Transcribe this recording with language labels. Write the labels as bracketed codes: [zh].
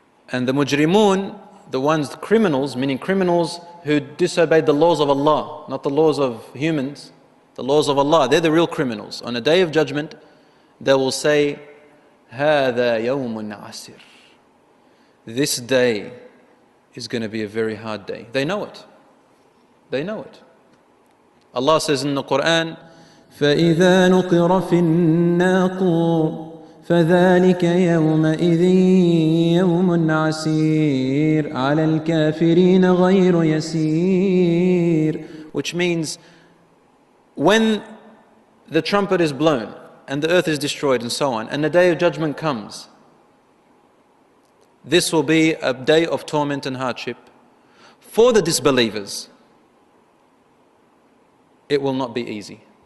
[en] And the mujrimun, the ones, the criminals, meaning criminals who disobeyed the laws of Allah, not the laws of humans, the laws of Allah, they're the real criminals. On a day of judgment, they will say, [ar] هَذَا يَوْمٌ عَسِرٌ. [en] This day is going to be a very hard day. They know it. They know it. Allah says in the Quran, [ar] فَإِذَا نُقِرَ فِي النَّاقُورِ فَذَٰلِكَ يَوْمَئِذٍ يَوْمٌ عَسِيرٌ عَلَى الْكَافِرِينَ غَيْرُ يَسِيرٌ. [en] Which means, when the trumpet is blown and the earth is destroyed and so on, and the day of judgment comes, this will be a day of torment and hardship. For the disbelievers, it will not be easy.